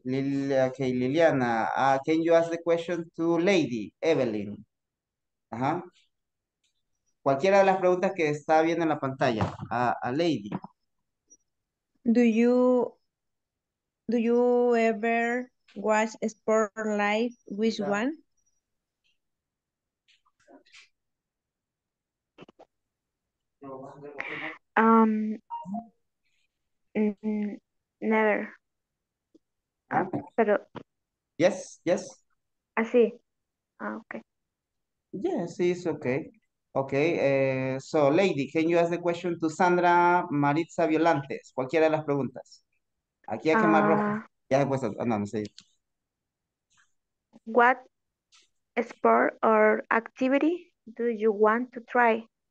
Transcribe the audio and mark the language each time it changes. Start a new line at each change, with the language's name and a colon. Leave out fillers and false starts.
English: Okay, Liliana, can you ask the question to Lady Evelyn?
Spanish: Cualquiera de las preguntas que está viendo en la pantalla, a Lady.
English: Do you ever watch Sport Live? Which one? Never. Pero yes
Spanish: así okay
English: yes it's okay so Lady, can you ask the question to Sandra Maritza Violantes?
Spanish: Cualquiera de las preguntas aquí a quemar rojo ya después no sé.
English: What sport or activity do you want to try?